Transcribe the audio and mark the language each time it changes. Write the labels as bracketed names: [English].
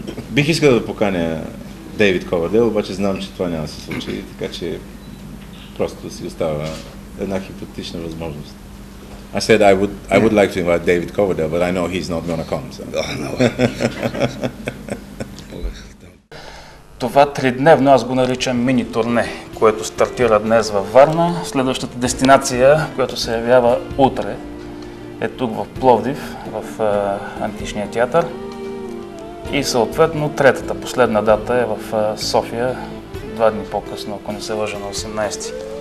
[Bulgarian] Бих искал да поканя Дейвид Ковърдейл, обаче знам, че това няма да се случи, така че просто си остава една хипотетична възможност. [English] I said I would like to invite David Coverdale, but I know he's not gonna come. So. Oh no. [Bulgarian] Това тридневно аз го наричам мини турне, което стартира днес във Варна. Следващата дестинация, която се явява утре, е тук в Пловдив, в Античния театър. И съответно третата, последна дата е в София, два дни по-късно, ако не се лъжа, на 18-ти.